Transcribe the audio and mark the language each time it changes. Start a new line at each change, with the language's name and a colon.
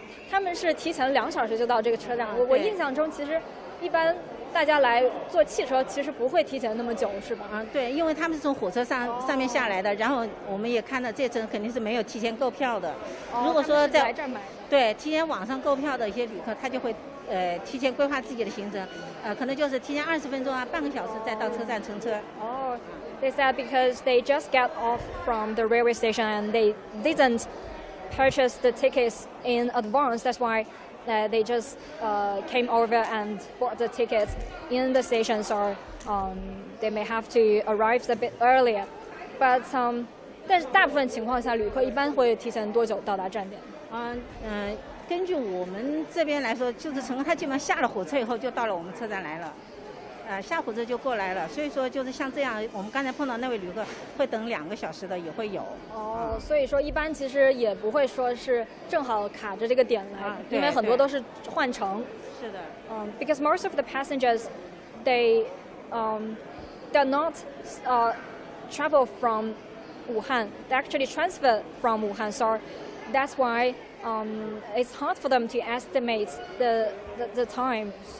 Chinese: 他们是提前2小时就到这个车站。我印象中，其实一般大家来坐汽车，其实不会提前那么久，是吧？对，因为他们是从火车上面下来的，然后我们也看到这层肯定是没有提前购票的。如果说在来这买，对，提前网上购票的一些旅客，他就会。提前规划自己的行程，可能就是提前20分钟啊，半个小时再到车站乘车。
English: They said because they just got off from the railway station and they didn't purchase the tickets in advance. That's why they just came over and bought the tickets in the station. So they may have to arrive a bit earlier.
Chinese: But 但是大部分情况下，旅客一般会提前多久到达站点？根据我们这边来说，就是乘客他基本上下了火车以后就到了我们车站来了，下火车就过来了。所以说就是像这样，我们刚才碰到那位旅客会等2个小时的也会有。所以说一般其实也不会说是正好卡着这个点来，因为很多都是换乘。是的。
English: Because most of the passengers, they're not travel from Wuhan. They actually transfer from Wuhan. So that's why. It's hard for them to estimate the time.